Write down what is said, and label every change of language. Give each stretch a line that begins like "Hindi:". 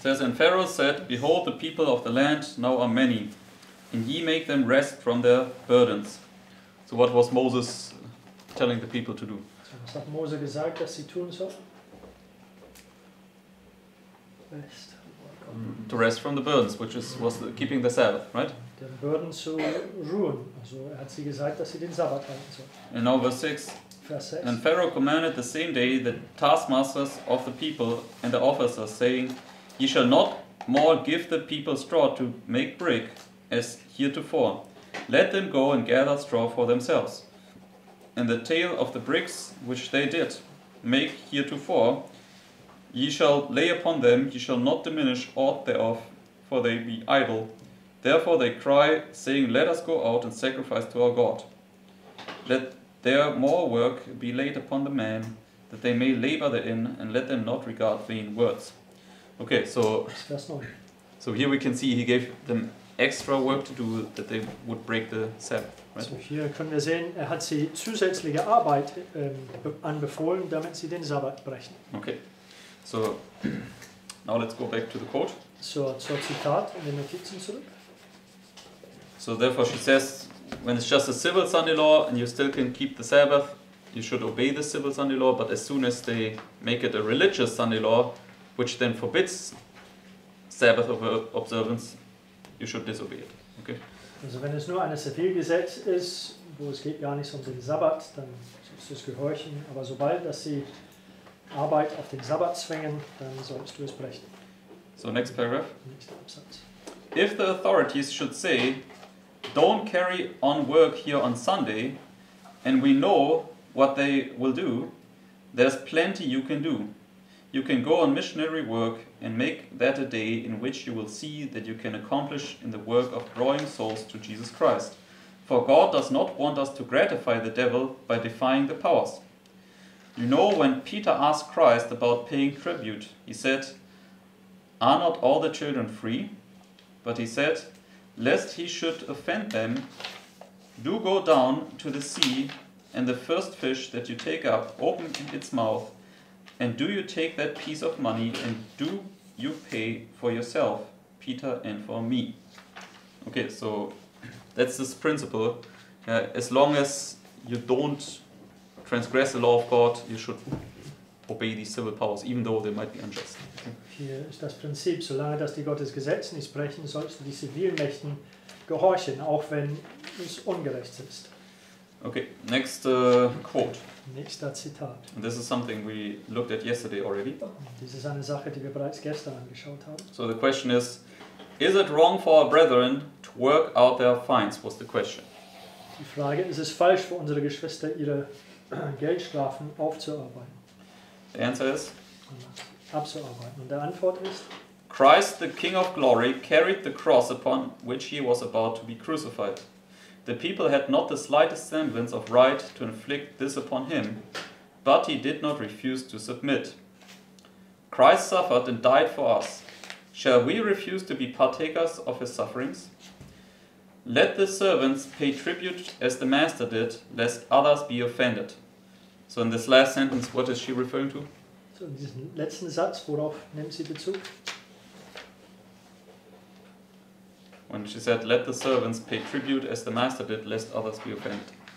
English: says, and Pharaoh said, behold, the people of the land now are many, and ye make them rest from their burdens. So what was Moses telling the people to do?
German: Was hat Mose gesagt, dass sie tun soll?
English: Rest. To rest from the burdens, which was keeping the Sabbath, right?
German: Den Burden zu ruhen. Also er hat sie gesagt, dass sie den Sabbat halten soll.
English: In now verse 6.
German: Vers 6.
English: And Pharaoh commanded the same day the taskmasters of the people and the officers, saying, ye shall not more give the people straw to make brick as heretofore. Let them go and gather straw for themselves. And the tale of the bricks which they did make heretofore, ye shall lay upon them, ye shall not diminish aught thereof, for they be idle. Therefore they cry, saying, let us go out and sacrifice to our God. Let their more work be laid upon the man, that they may labor therein, and let them not regard vain words. Okay, so here we can see he gave them extra work to do, that they would break the Sabbath. Right?
German: So hier können wir sehen, er hat sie zusätzliche Arbeit anbefohlen, damit sie den Sabbat brechen.
English: Okay, so Now let's go back to the quote.
German: So, zur Zitat in den Notizen zurück.
English: So therefore she says, when it's just a civil Sunday law and you still can keep the Sabbath, you should obey the civil Sunday law, but as soon as they make it a religious Sunday law, which then forbids Sabbath observance, you should disobey it. Okay?
German: Also wenn es nur ein Zivilgesetz ist, wo es geht gar nicht um den Sabbat, dann sollst du es gehorchen. Aber sobald, dass sie Arbeit auf den Sabbat zwingen, dann sollst du es brechen.
English: So, next paragraph.
German: Nächster Absatz.
English: If the authorities should say, don't carry on work here on Sunday, and we know what they will do, there's plenty you can do. You can go on missionary work and make that a day in which you will see that you can accomplish in the work of drawing souls to Jesus Christ. For God does not want us to gratify the devil by defying the powers. You know, when Peter asked Christ about paying tribute, he said, are not all the children free? But he said, lest he should offend them, do go down to the sea, and the first fish that you take up, open its mouth, and do you take that piece of money, and do you pay for yourself, Peter, and for me? Okay, so that's this principle. As long as you don't transgress the law of God, you should obey these civil powers, even though they might be unjust.
German: Hier ist das Prinzip, solange dass die Gottesgesetze nicht brechen, sollst du die Zivilmächten gehorchen, auch wenn es ungerecht ist.
English: Okay, next quote.
German: Nächster Zitat.
English: And this is something we looked at yesterday already.
German: Dies ist eine Sache, die wir bereits gestern angeschaut haben.
English: So the question is it wrong for our brethren to work out their fines, was the question.
German: Die Frage, ist es falsch für unsere Geschwister, ihre Geldstrafen aufzuarbeiten?
English: The answer is?
German: Abzuarbeiten. Und der Antwort ist?
English: Christ, the King of Glory, carried the cross upon which he was about to be crucified. The people had not the slightest semblance of right to inflict this upon him, but he did not refuse to submit. Christ suffered and died for us. Shall we refuse to be partakers of his sufferings? Let the servants pay tribute as the master did, lest others be offended. So in this last sentence, what is she referring to?
German: So in diesem letzten Satz, worauf nimmt sie Bezug?
English: When she said, let the servants pay tribute as the master did, lest others be offended.